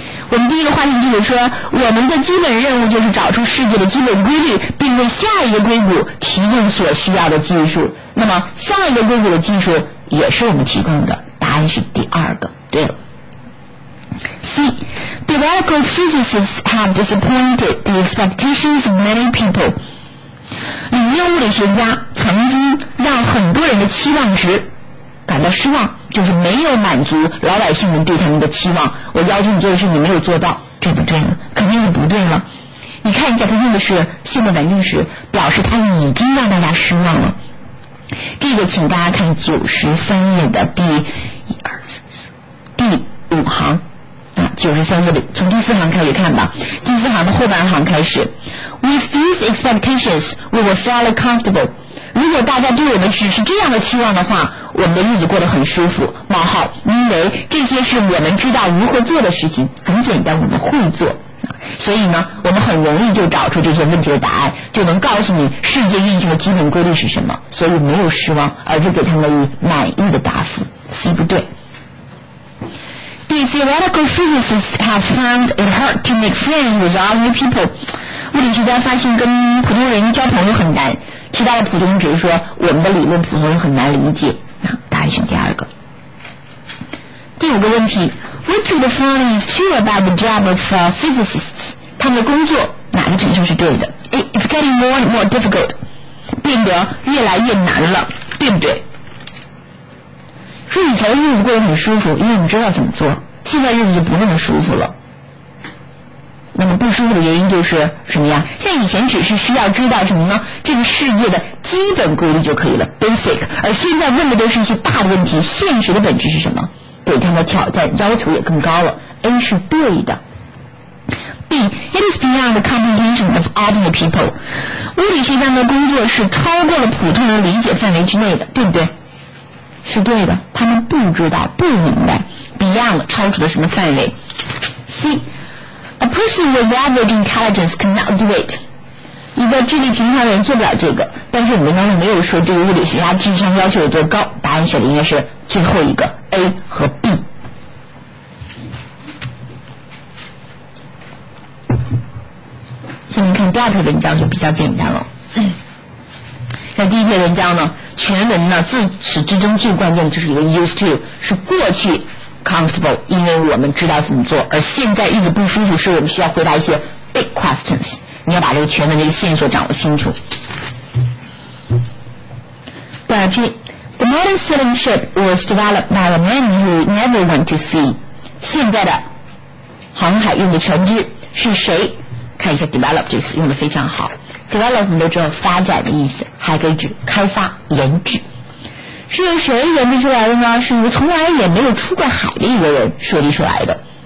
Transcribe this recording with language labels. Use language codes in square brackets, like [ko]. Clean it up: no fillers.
[zh] 我们第一个话题就是说，我们的基本任务就是找出世界的基本规律，并为下一个硅谷提供所需要的技术。那么下一个硅谷的技术也是我们提供的，答案是第二个，对了。 [en] C. Theoretical physicists have disappointed the expectations of many people. [zh] 理论物理学家曾经让很多人的期望值感到失望，就是没有满足老百姓们对他们的期望。我要求你做的事你没有做到，这不对了，肯定是不对了。你看一下他用的是现在完成时，表示他已经让大家失望了。这个请大家看93页的第五行93页的从第四行开始看吧，第四行的后半行开始。 [en] With these expectations, we were fairly comfortable. [zh] 如果大家对我们只是这样的期望的话，我们的日子过得很舒服。冒号，因为这些是我们知道如何做的事情，很简单，我们会做。所以呢，我们很容易就找出这些问题的答案，就能告诉你世界运行的基本规律是什么。所以没有失望，而是给他们以满意的答复。 C 不对。 [en] The theoretical physicists have found it hard to make friends with other people. [zh] 物理学家发现跟普通人交朋友很难。其他的普通人只是说我们的理论普通人很难理解。那答案选第二个。第五个问题 [en] ，Which of the following is true about the job of physicists? [zh] 他们的工作哪个陈述是对的 ？ [en] It's getting more and more difficult. [zh] 变得越来越难了，对不对？说以前日子过得很舒服，因为你知道怎么做，现在日子就不那么舒服了。那么不舒服的原因就是什么呀？像以前只是需要知道什么呢？这个世界的基本规律就可以了 ，basic。而现在问的都是一些大的问题，现实的本质是什么？对他们的挑战要求也更高了。 A 是对的。 [en] B, it is beyond the comprehension of ordinary people. [zh] 物理学家的工作是超过了普通人理解范围之内的，对不对？是对的，他们不知道不明白 beyond 超出了什么范围。 C [en] A person with average intelligence cannot do it. [zh] 一个智力平常人做不了这个。但是我们当中没有说对于物理学家智商要求有多高，答案选的应该是最后一个 A 和 B。下面看第二篇文章就比较简单了。那第一篇文章呢，全文呢自始至终最关键的就是一个 used to， 是过去 comfortable， 因为我们知道怎么做，而现在日子不舒服，是我们需要回答一些 big questions。你要把这个全文的一个线索掌握清楚。第二篇 [en] The modern sailing ship was developed by a man who never went to sea。 [zh] 现在的航海用的船只是谁？看一下 develop 这次用的非常好。develop 我们都知道发展的意思，还可以指开发研制。是由谁研制出来的呢？是一个从来也没有出过海的一个人设计出来的。